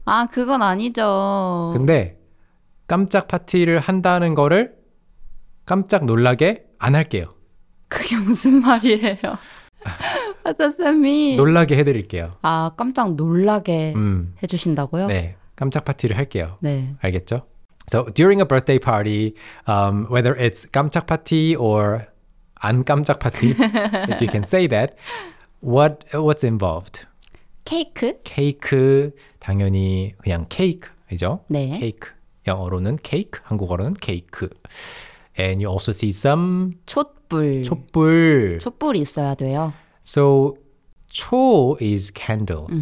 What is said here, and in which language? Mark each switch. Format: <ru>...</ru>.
<ko>아, 그건 아니죠. 근데 깜짝 파티를 한다는 거를 깜짝 놀라게 안 할게요. 그게 무슨 말이에요?</ko> <en>What does that mean?</en> <ko>놀라게 해드릴게요. 아, 깜짝 놀라게 해주신다고요? 네, 깜짝 파티를 할게요. 네. 알겠죠?</ko> <en>So during a birthday party, whether it's 깜짝 파티 or</en> <ko>안 깜짝 파티,</ko> <en>if you can say that, what's involved?</en> <ko>케이크. 케이크, 당연히 그냥 케이크이죠. 네. 케이크. 영어로는 케이크, 한국어로는 케이크.</ko> <en>And you also see some</en> <ko>촛불. 촛불. 촛불이 있어야 돼요.</ko> <en>So 초 is candles.</en>